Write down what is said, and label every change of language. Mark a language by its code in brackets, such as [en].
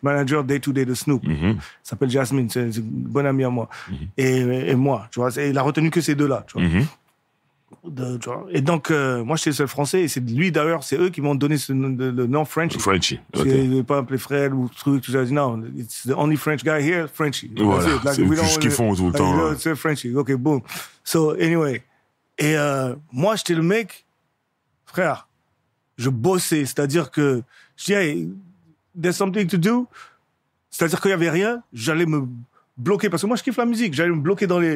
[fr] Manager day-to-day de Snoop. Mm-hmm. Ça s'appelle Jasmine, c'est une bonne amie à moi. Mm-hmm. Et moi, tu vois. Et il a retenu que ces deux-là, tu vois. Mm-hmm. Et donc, moi, je suis le seul français. Et c'est lui, d'ailleurs, c'est eux qui m'ont donné le nom Frenchy. Frenchy. [en] Okay. [fr] Je ne vais pas appeler Fred ou truc. Tu as dit, non, [en] it's the only French guy here, Frenchy. [fr] Voilà, like, c'est ce qu'ils font tout le temps. [en] Like, [fr] c'est [en] Frenchy. OK, boom. So, anyway. [fr] Et moi, j'étais le mec, frère, je bossais. C'est-à-dire que je dis, [en] hey, there's something to do. [fr] C'est-à-dire qu'il n'y avait rien, j'allais me bloquer. Parce que moi, je kiffe la musique. J'allais me bloquer dans les...